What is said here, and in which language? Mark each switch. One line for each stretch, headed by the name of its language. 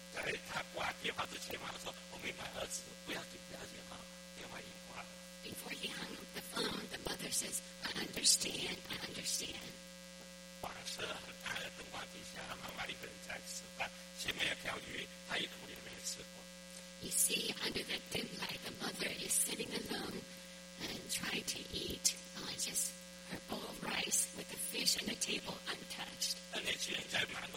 Chinese: 在他挂电话之前，妈妈说：“我明白，儿子，不要紧，不要紧啊，电话已经挂了。”
English: Before he hung up the phone, the mother says, "I understand, I understand."
Chinese: 晚上很暗的灯光底下，妈妈一个人在吃饭，前面有条鱼，她一口也没吃过。
English: You see, under that dim light, the mother is sitting alone. And trying to eat just her bowl of rice with the fish on the table untouched.